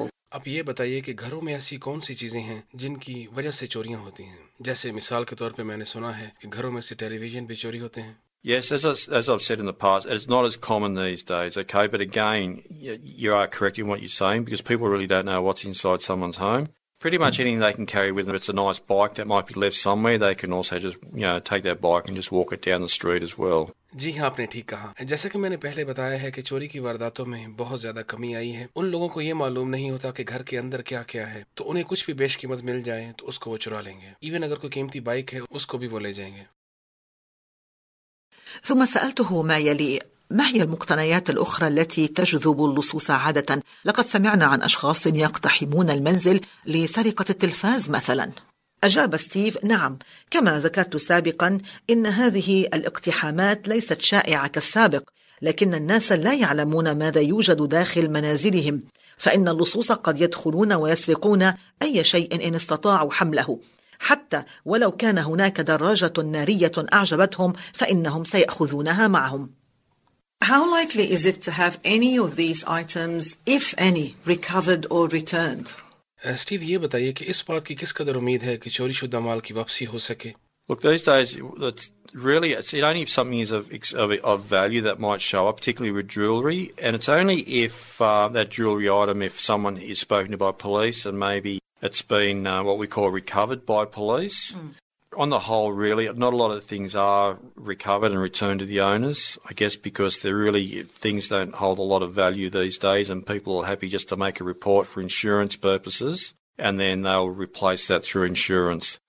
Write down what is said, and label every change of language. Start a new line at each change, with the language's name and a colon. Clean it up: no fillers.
Urdu: اب یہ بتائیے کہ گھروں میں ایسی کون سی چیزیں ہیں جن کی وجہ سے چوریاں ہوتی ہیں؟ جیسے مثال کے طور پہ میں نے سنا ہے کہ گھروں میں سے ٹیلی ویژن بھی چوری ہوتے ہیں.
English: Yes, as I've said in the past, it's not as common these days, okay? But again, you are correct in what you're saying, because people really don't know what's inside someone's home. Pretty much anything they can carry with them. If it's a nice bike that might be left somewhere, they can also just, you know, take that bike and just walk it down the street as well.
Urdu: جی ہاں، آپ نے ٹھیک کہا. جیسا کہ میں نے پہلے بتایا ہے کہ چوری کی وارداتوں میں بہت زیادہ کمی آئی ہے، ان لوگوں کو یہ معلوم نہیں ہوتا کہ گھر کے اندر کیا کیا ہے، تو انہیں کچھ بھی بیش قیمت مل جائے تو اس کو وہ چرا لیں گے. ایون اگر کوئی قیمتی بائک ہے اس کو بھی وہ لے جائیں گے.
Arabic: ثم سألته ما يلي: ما هي المقتنيات الأخرى التي تجذب اللصوص عادة؟ لقد سمعنا عن أشخاص يقتحمون المنزل لسرقة التلفاز مثلا. أجاب ستيف: نعم، كما ذكرت سابقا إن هذه الاقتحامات ليست شائعة كالسابق، لكن الناس لا يعلمون ماذا يوجد داخل منازلهم، فإن اللصوص قد يدخلون ويسرقون أي شيء إن استطاعوا حمله، حتى ولو كان هناك دراجة نارية أعجبتهم فإنهم سيأخذونها معهم.
English: How likely is it to have any of these items, if any, recovered or returned?
Urdu: Steve, یہ بتائیے کہ اس بات کی کس قدر امید ہے کہ چوری شدہ مال کی واپسی ہو سکے؟
English: Look, these days, it's only if something is of value that might show up, particularly with jewellery, and it's only if that jewellery item, if someone is spoken to by police and maybe it's been what we call recovered by police. On the whole, really, not a lot of things are recovered and returned to the owners, I guess because they're really, things don't hold a lot of value these days and people are happy just to make a report for insurance purposes and then they'll replace that through insurance.